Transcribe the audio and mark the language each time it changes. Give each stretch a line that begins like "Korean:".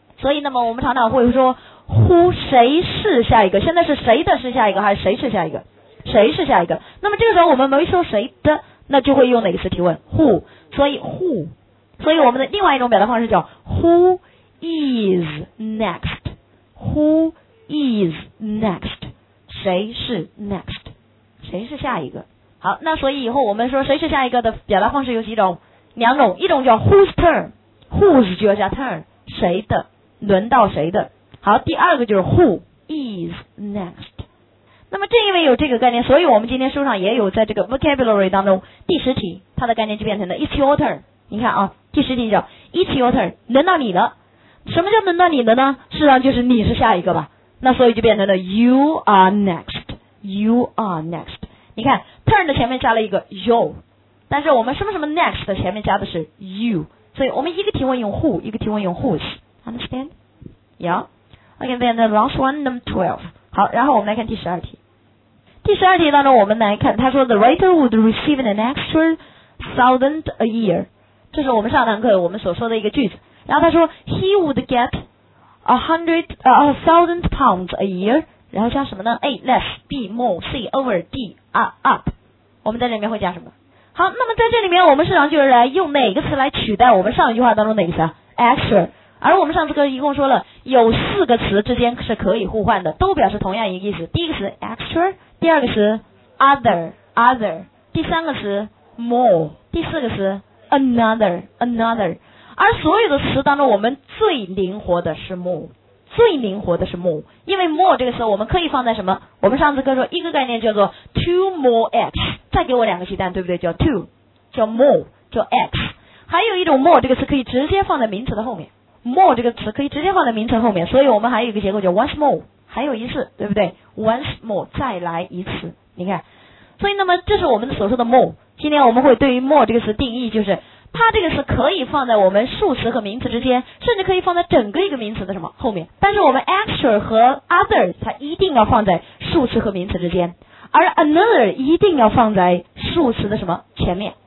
Chinese: 所以那么我们常常会说 Who 谁是下一个，现在是谁的是下一个还是谁是下一个？谁是下一个？那么这个时候我们没说谁的，那就会用哪个词提问？
English: Who?
Chinese: 所以
English: Who?
Chinese: 所以我们的另外一种表达方式叫
English: Who is next? Who is next,
Chinese: 谁是 next, 谁是下一个。好，那所以以后我们说谁是下一个的表达方式有几种？两种，一种叫 whose turn, whose 就要加 turn, 谁的，轮到谁的。好，第二个就是 who is next。那么正因为有这个概念，所以我们今天书上也有在这个 vocabulary 当中第十题它的概念就变成了
English: it's your turn。
Chinese: 你看啊，第十题叫
English: it's your turn,
Chinese: 轮到你了。什么叫轮到你的呢？事实上就是你是下一个吧。那所以就变成了
English: you are next, you are next。
Chinese: 你看 turn 的前面加了一个 you, 但是我们什么什么 next 的前面加的是 you, 所以我们一个提问用 who, 一个提问用 whose, understand?
English: Yeah. Okay, then the last one, number 12.
Chinese: 好，然后我们来看第十二题。第十二题当中我们来看，他说
English: the writer would receive an extra thousand a year,
Chinese: 这是我们上堂课我们所说的一个句子。然后他说
English: he would get £1,000 a year,
Chinese: 然后加什么呢？
English: A less, B more, C over, D up,
Chinese: 我们在这里面会加什么？好，那么在这里面我们实际上就是来用哪个词来取代我们上一句话当中哪个词啊？
English: extra。
Chinese: 而我们上次课一共说了有四个词之间是可以互换的，都表示同样一个意思。第一个词 extra, 第二个词 other, 第三个词 more, 第四个词 another。而所有的词当中我们最灵活的是 more, 最灵活的是 more, 因为 more 这个词我们可以放在什么？我们上次课说一个概念叫做
English: two more x,
Chinese: 再给我两个鸡蛋，对不对？叫 two, 叫 more, 叫 x。还有一种 more 这个词可以直接放在名词的后面， more 这个词可以直接放在名词后面，所以我们还有一个结构叫
English: once more,
Chinese: 还有一次，对不对？
English: once more,
Chinese: 再来一次。你看，所以那么这是我们所说的 more。今天我们会对于 more 这个词定义，就是它这个词可以放在我们数词和名词之间，甚至可以放在整个一个名词的什么后面，但是我们 extra 和 other 它一定要放在数词和名词之间，而 another 一定要放在数词的什么前面。